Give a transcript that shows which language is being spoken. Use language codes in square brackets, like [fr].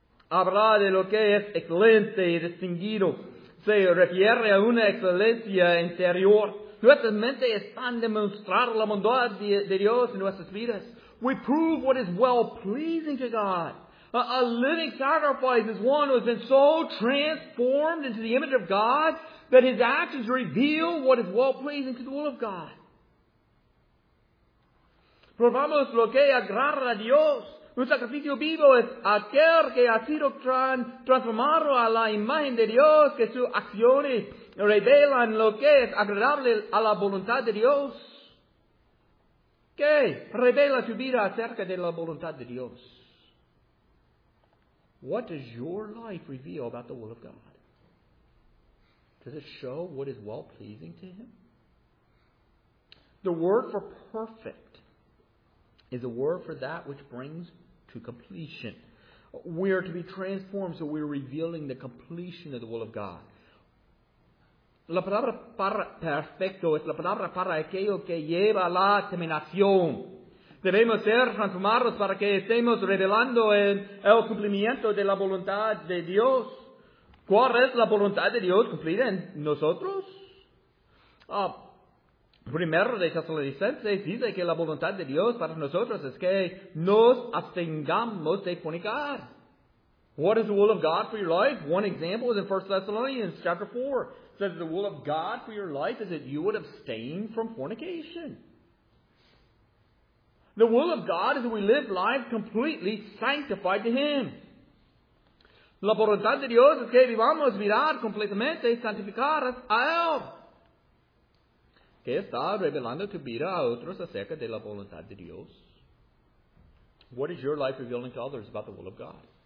[es] Habla de lo que es excelente y distinguido. se refiere a una excelencia interior. Nuestra mente está en demostrar la bondad de Dios en nuestras vidas. [en] We prove what is well-pleasing to God. A living sacrifice is one who has been so transformed into the image of God that his actions reveal what is well-pleasing to the will of God. [es] Probamos lo que agrada a Dios. Un sacrificio vivo es aquel que ha sido transformado a la imagen de Dios, que sus acciones revelan lo que es agradable a la voluntad de Dios. ¿Qué revela tu vida acerca de la voluntad de Dios? [en] What does your life reveal about the will of God? Does it show what is well-pleasing to Him? The word for perfect is a word for that which brings to completion. We are to be transformed so we are revealing the completion of the will of God. [es] La palabra para perfecto es la palabra para aquello que lleva la terminación. Debemos ser transformados para que estemos revelando el cumplimiento de la voluntad de Dios. ¿Cuál es la voluntad de Dios cumplida en nosotros? Primero de Tesalonicenses dice que la voluntad de Dios para nosotros es que nos abstengamos de fornicar. [en] What is the will of God for your life? One example is in 1 Thessalonians chapter 4. It says the will of God for your life is that you would abstain from fornication. The will of God is that we live life completely sanctified to Him. [es] La voluntad de Dios es que vivamos vidas completamente santificadas a Él. ¿Qué está revelando tu vida a otros acerca de la voluntad de Dios? [en] What is your life revealing to others about the will of God?